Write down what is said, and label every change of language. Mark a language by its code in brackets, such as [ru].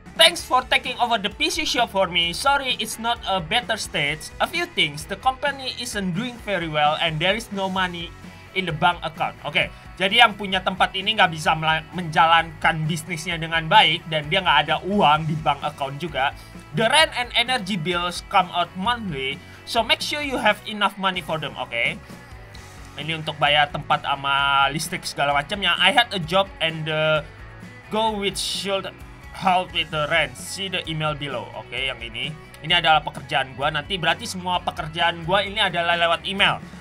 [en] Thanks for taking over the PC shop for me. Sorry, it's not a better state. A few things, the company isn't doing very well and there is no money in the bank account. Oke. Okay. [id] Jadi yang punya tempat ini nggak bisa menjalankan bisnisnya dengan baik dan dia nggak ada uang di bank account juga. [en] The rent and energy bills come out monthly, so make sure you have enough money for them, okay? [id] Ini untuk bayar tempat sama listrik segala macamnya. [en] I had a job and the go with should help with the rent. See the email below, okay? [id] Yang ini. Ini adalah pekerjaan gua. Nanti berarti semua pekerjaan gua ini adalah lewat email.